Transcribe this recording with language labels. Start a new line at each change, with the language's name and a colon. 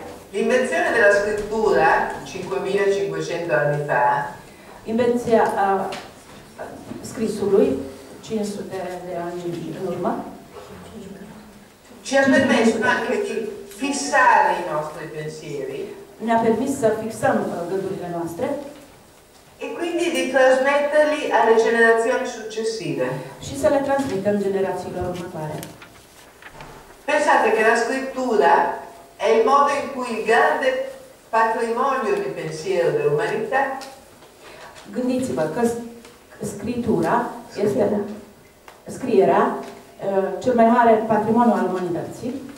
Italian: L'invenzione della scrittura, 5500 anni fa,
Romanian: invenția scrisului, 500 de ani în urmă,
Italian: ci ha permesso anche di fissare i nostri pensieri.
Romanian: Ne-a permis să fixăm gândurile noastre.
Italian: E quindi di trasmetterli alle generazioni successive.
Romanian: Și să le transmitem generațiilor următoare.
Italian: Pensate che la scrittura è il modo in cui il grande patrimonio di pensiero dell'umanità.
Romanian: Gândiți-vă că scritura este scrierea cel mai mare patrimoniu al umanității.